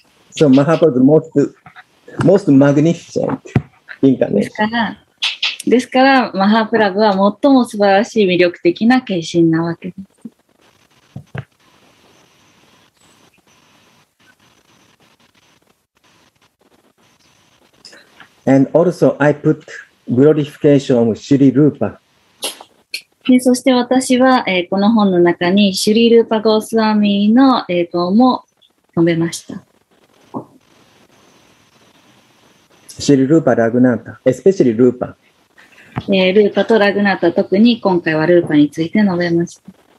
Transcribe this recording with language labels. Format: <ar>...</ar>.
<en>So, Mahaprabhu is most magnificent incarnation.</en> <ja>ですから、マハプラブは最も素晴らしい魅力的な化身なわけです。</ja> <en>And also, I put glorification of Shri Rupa.</en> <ja>でそして私は、この本の中にシュリールーパゴースワミーの映像も述べました。</ja> <en>シュリールーパ、ラグナータ、エスペシャリールーパ、</en> <ja>ルーパとラグナータ、特に今回はルーパについて述べました。</ja>